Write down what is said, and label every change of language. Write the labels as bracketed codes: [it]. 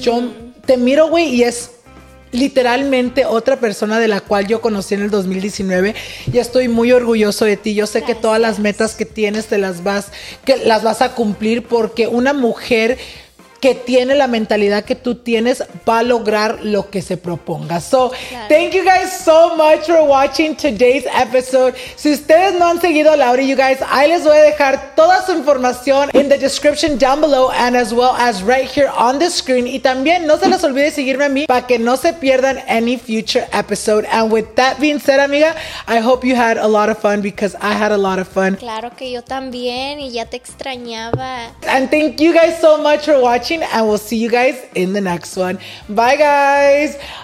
[es] Yo te miro, güey, y es literalmente otra persona de la cual yo conocí en el 2019 y estoy muy orgulloso de ti. Yo sé Gracias. Que todas las metas que tienes te las vas a cumplir, porque una mujer que tiene la mentalidad que tú tienes va a lograr lo que se proponga. So, claro. [en] Thank you guys so much for watching today's episode. [es] Si ustedes no han seguido a Lauri, [en] you guys, [es] ahí les voy a dejar toda su información [en] in the description down below and as well as right here on the screen. [es] Y también no se les olvide seguirme a mí para que no se pierdan [en] any future episode. And with that being said, amiga, I hope you had a lot of fun because I had a lot of fun. [es] Claro que yo también, y ya te extrañaba. [en] And thank you guys so much for watching. And we'll see you guys in the next one. Bye, guys.